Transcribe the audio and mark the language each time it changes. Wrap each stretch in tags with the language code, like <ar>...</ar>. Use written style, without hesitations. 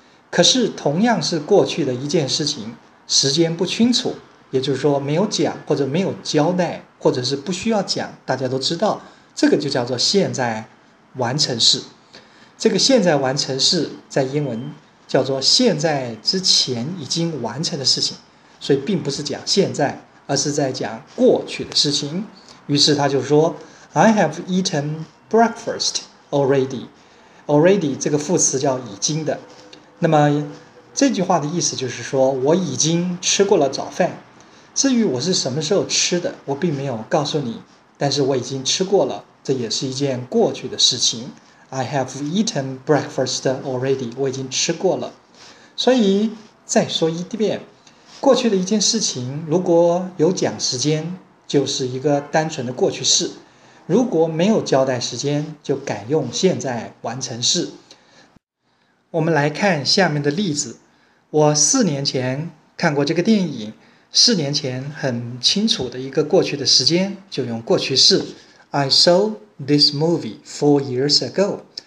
<zh>可是同样是过去的一件事情，时间不清楚，也就是说没有讲或者没有交代或者是不需要讲，大家都知道，这个就叫做现在完成式。这个现在完成式在英文叫做现在之前已经完成的事情，所以并不是讲现在，而是在讲过去的事情。于是他就说</zh> <en>I have eaten breakfast already。</en> <zh>already 这个副词叫已经的，那么这句话的意思就是说我已经吃过了早饭，至于我是什么时候吃的，我并没有告诉你，但是我已经吃过了，这也是一件过去的事情。</zh> <en>I have eaten breakfast already,</en> <zh>我已经吃过了。所以再说一遍，过去的一件事情如果有讲时间，就是一个单纯的过去式，如果没有交代时间，就改用现在完成式。我们来看下面的例子。我四年前看过这个电影，四年前很清楚的一个过去的时间，就用过去式</zh> <en>I saw this movie 4 years ago。</en>